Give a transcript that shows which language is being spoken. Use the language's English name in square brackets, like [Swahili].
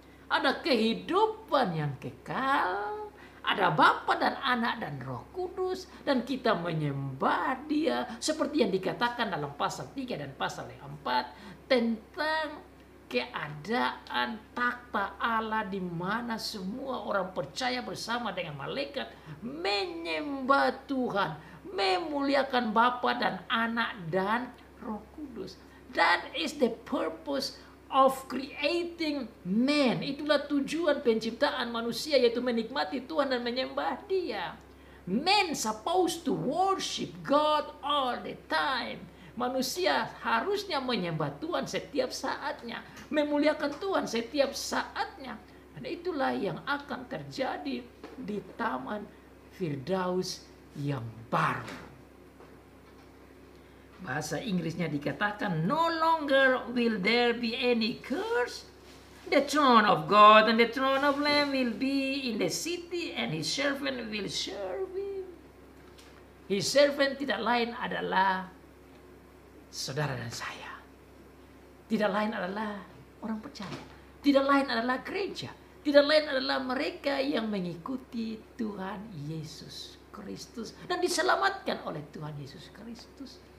[Indonesian] ada kehidupan yang kekal, ada Bapa dan Anak dan Roh Kudus, dan kita menyembah Dia seperti yang dikatakan dalam pasal 3 dan pasal 4 tentang keadaan takhta Allah, di mana semua orang percaya bersama dengan malaikat menyembah Tuhan, memuliakan Bapa dan Anak dan Roh Kudus. [English] That is the purpose of creating man. [Indonesian] Itulah tujuan penciptaan manusia, yaitu menikmati Tuhan dan menyembah Dia. [English] Man supposed to worship God all the time. [Indonesian] Manusia harusnya menyembah Tuhan setiap saatnya, memuliakan Tuhan setiap saatnya. Dan itulah yang akan terjadi di Taman Firdaus yang baru. Bahasa Inggrisnya dikatakan, [English] no longer will there be any curse. The throne of God and the throne of Lamb will be in the city, and His servant will serve Him. His servant [Indonesian] tidak lain adalah saudara dan saya. Tidak lain adalah orang percaya. Tidak lain adalah gereja. Tidak lain adalah mereka yang mengikuti Tuhan Yesus Kristus dan diselamatkan oleh Tuhan Yesus Kristus.